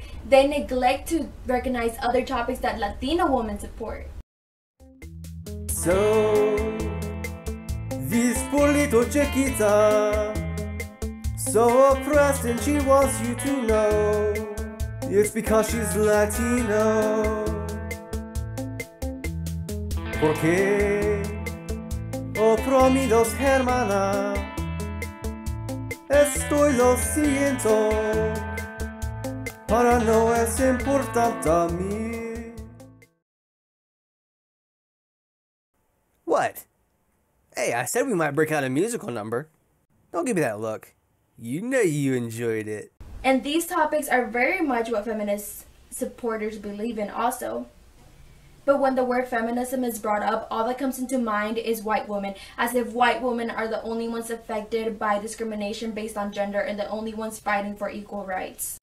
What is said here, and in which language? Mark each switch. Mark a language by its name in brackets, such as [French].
[English] They neglect to recognize other topics that Latino women support. So, this poor little Chiquita, so oppressed and she wants you to know, it's because she's Latino. [Spanish] ¿Por qué oprimidos, hermana? Estoy lo siento, para no es importante a mí. [English] What? Hey, I said we might break out a musical number. Don't give me that look. You know you enjoyed it. And these topics are very much what feminist supporters believe in also. But when the word feminism is brought up, all that comes into mind is white women, as if white women are the only ones affected by discrimination based on gender and the only ones fighting for equal rights.